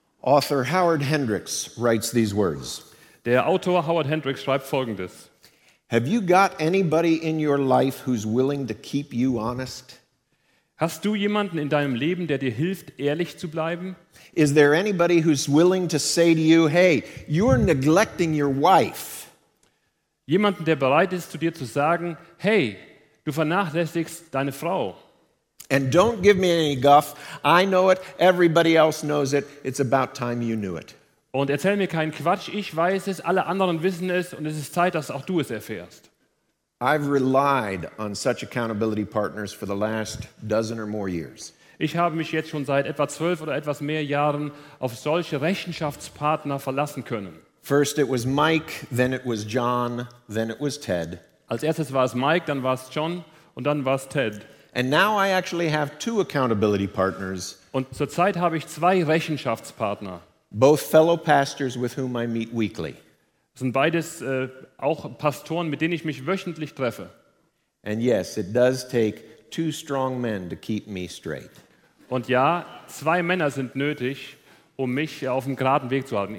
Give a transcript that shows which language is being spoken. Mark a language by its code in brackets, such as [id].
[en] Author Howard Hendricks writes these words. [de] Der Autor Howard Hendricks schreibt Folgendes. [en] Have you got anybody in your life who's willing to keep you honest? [de] Hast du jemanden in deinem Leben, der dir hilft, ehrlich zu bleiben? [en] Is there anybody who's willing to say to you, hey, you're neglecting your wife? [de] Jemanden, der bereit ist, zu dir zu sagen, hey, du vernachlässigst deine Frau. [en] And don't give me any guff. I know it. Everybody else knows it. It's about time you knew it. [de] Und erzähl mir keinen Quatsch. Ich weiß es. Alle anderen wissen es. Und es ist Zeit, dass auch du es erfährst. [en] I've relied on such accountability partners for the last dozen or more years. [de] Ich habe mich jetzt schon seit etwa 12 oder etwas mehr Jahren auf solche Rechenschaftspartner verlassen können. [en] First it was Mike, then it was John, then it was Ted. [de] Als erstes war es Mike, dann war es John und dann war es Ted. [en] And now I actually have two accountability partners. [de] Und zurzeit habe ich zwei Rechenschaftspartner. [en] Both fellow pastors with whom I meet weekly. [de] Das sind beides auch Pastoren, mit denen ich mich wöchentlich treffe. [en] And yes, it does take two strong men to keep me straight. [de] Und ja, zwei Männer sind nötig, um mich auf dem geraden Weg zu halten.